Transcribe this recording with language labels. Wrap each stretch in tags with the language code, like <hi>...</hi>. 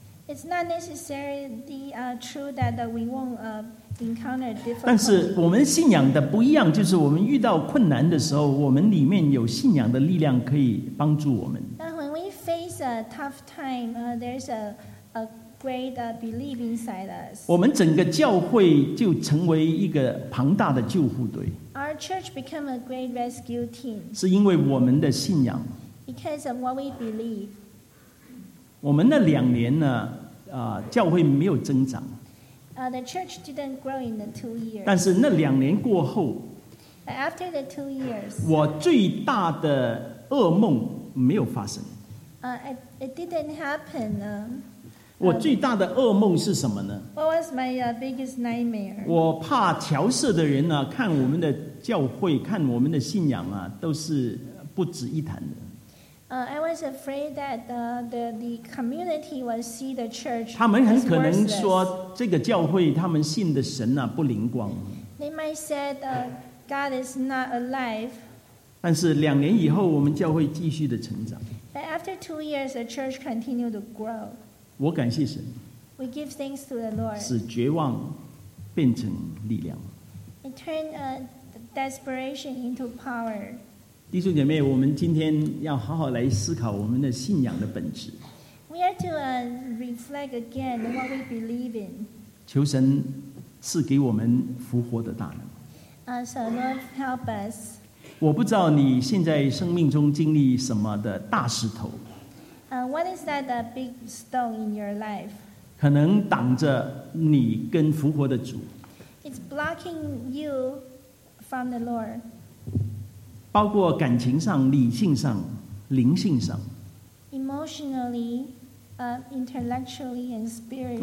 <en>It's not necessarily true that we won't encounter difficulty.</en> <zh>但是我们信仰的不一样，就是我们遇到困难的时候，我们里面有信仰的力量可以帮助我们。</zh> <en>But when we face a tough time, there's a great belief inside us.</en> <zh>我们整个教会就成为一个庞大的救护队。</zh> <en>Our church became a great rescue team.</en> <zh>是因为我们的信仰。</zh> <en>Because of what we believe.</en> <zh>我们那两年呢，教会没有增长。</zh> <en>The church didn't grow in the 2 years.</en> <zh>但是那两年过后。</zh> <en>But after the 2 years.</en> <zh>我最大的噩梦没有发生。</zh> <en>It didn't happen.</en> <zh>我最大的噩梦是什么呢</zh> <en>？What was my biggest nightmare？</en> <zh>我怕侨社的人呢、啊，看我们的教会，看我们的信仰啊，都是不值一谈的。</zh> <en>I was afraid that the community would see the church.</en> <zh>他们很可能说这个教会他们信的神呢、啊、不灵光。</zh> <en>They might say God is not alive.</en> <zh>但是两年以后，我们教会继续的成长。</zh> <en>But after 2 years, the church continued to grow.</en> <zh>我感谢神</zh> <en>We give thanks to the Lord.</en> <zh>使绝望变成力量</zh> <en>It turned desperation into power.</en> <zh>弟兄姐妹我们今天要好好来思考我们的信仰的本质</zh> <en>We are to reflect again what we believe in.</en> <zh>求神赐给我们复活的大能</zh> <en>So Lord help us.</en> <zh>我不知道你现在生命中经历什么的大石头</zh> <en>What is that a big stone in your life?</en> <zh>可能挡着你跟复活的主。</zh> <en>It's blocking you from the Lord.</en> <zh>包括感情上、理性上、灵性上。</zh> <en>Emotionally, intellectually and spiritually.</en>